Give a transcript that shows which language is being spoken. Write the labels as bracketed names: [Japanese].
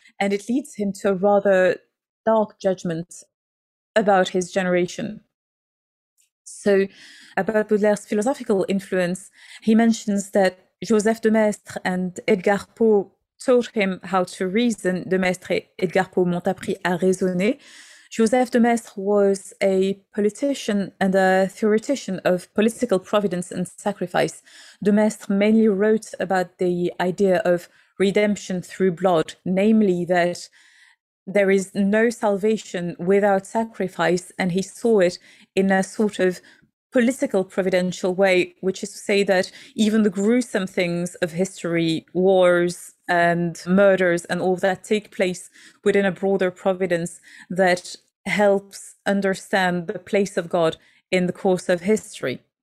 [English] And it leads him to a rather dark judgment about his generation. So about Baudelaire's philosophical influence, he mentions that Joseph de Maistre and Edgar Poe taught him how to reason. [French] De Maistre et Edgar Poe m'ont appris à raisonner. [English] Joseph de Maistre was a politician and a theoretician of political providence and sacrifice. De Maistre mainly wrote about the idea of redemption through blood, namely that there is no salvation without sacrifice, and he saw it in a sort of political providential way, which is to say that even the gruesome things of history, wars and murders and all that, take place within a broader providence that helps understand the place of God in the course of history.